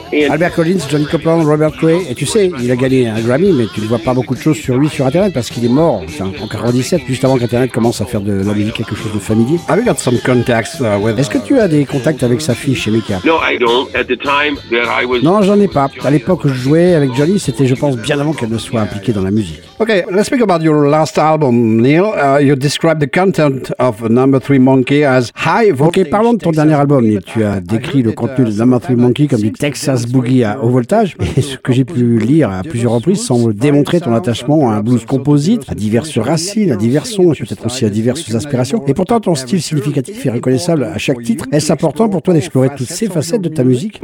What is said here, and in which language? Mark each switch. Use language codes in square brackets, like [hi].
[fr] Albert Collins, Johnny Copeland, Robert Cray, et tu sais, il a gagné un Grammy, mais tu ne vois pas beaucoup de choses sur lui sur Internet parce qu'il est mort en 97, juste avant qu'Internet commence à faire de la musique quelque chose de familier. [en] Have you got some contacts with? [fr] Est-ce que tu as des contacts avec sa fille, Chemika? [en] No, I don't. At the time that I was. [fr] Non, j'en ai pas. À l'époque où je jouais avec Johnny, c'était, je pense, bien avant qu'elle ne soit impliquée dans la musique. [en] Okay, let's speak about your last album, Neil. You described the content of Number Three Monkey as high voltage. [fr] Ok, parlons de ton dernier album, Neil. Tu as décrit le contenu de Number Three Monkey comme du Texas Boogie à haut voltage, et ce que j'ai pu lire à plusieurs reprises semble démontrer ton attachement à un blues composite, à diverses racines, à divers sons, et peut-être aussi à diverses aspirations. Et pourtant, ton style significatif est reconnaissable à chaque titre. Est-ce important pour toi d'explorer toutes ces facettes de ta musique?